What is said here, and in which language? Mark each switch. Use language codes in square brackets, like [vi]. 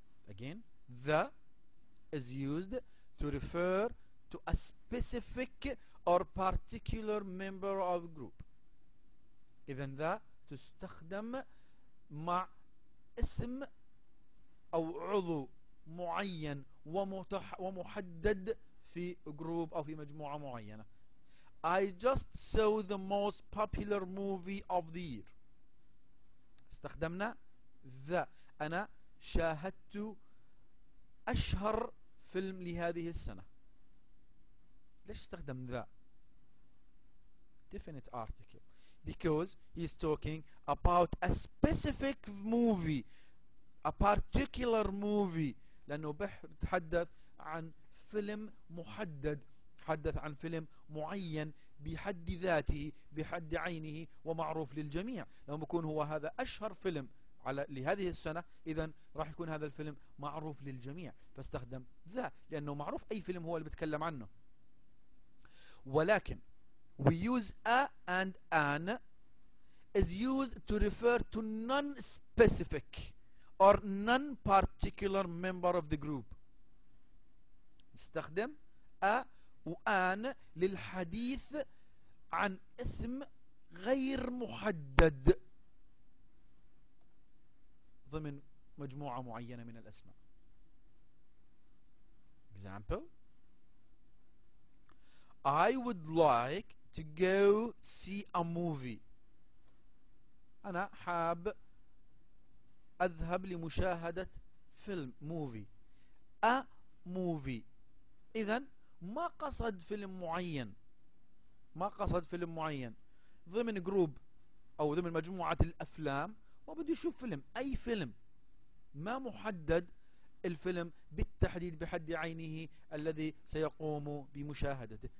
[en] Again, the is used to refer to a specific or particular member of a group. [ar] إذن the تستخدم مع اسم أو عضو معين ومحدد في جروب أو في مجموعة معينة. [en] I just saw the most popular movie of the year. [ar] استخدمنا the. أنا شاهدت أشهر فيلم لهذه السنة. ليش استخدم the definite article? [en] Because he's talking about a specific movie, a particular movie. [ar] لأنه بحدث عن فيلم محدد، حدث عن فيلم معين بحد ذاته بحد عينه ومعروف للجميع. لما يكون هو هذا أشهر فيلم على لهذه السنة، إذن راح يكون هذا الفيلم معروف للجميع، فاستخدم ذا لأنه معروف أي فيلم هو اللي بتكلم عنه. ولكن [en] we use a and an is used to refer to non-specific or non-particular member of the group. [ar] استخدم a وan للحديث عن اسم غير محدد ضمن مجموعة معينة من الأسماء. [en] Example: I would like to go see a movie. [ar] أنا حاب أذهب لمشاهدة فيلم [en] movie a movie. [ar] إذن ما قصد فيلم معين، ما قصد فيلم معين ضمن جروب أو ضمن مجموعة الأفلام وبدي يشوف فيلم، أي فيلم، ما محدد الفيلم بالتحديد بحد عينه الذي سيقوم بمشاهدته.